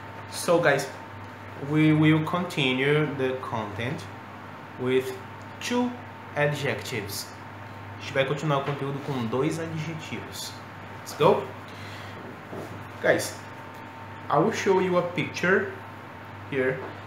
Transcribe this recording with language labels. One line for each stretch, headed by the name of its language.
English: So guys, we will continue the content with two adjectives.
Portuguese: A gente vai continuar o conteúdo com dois adjetivos.
English: Let's go. Guys, I will show you a picture here.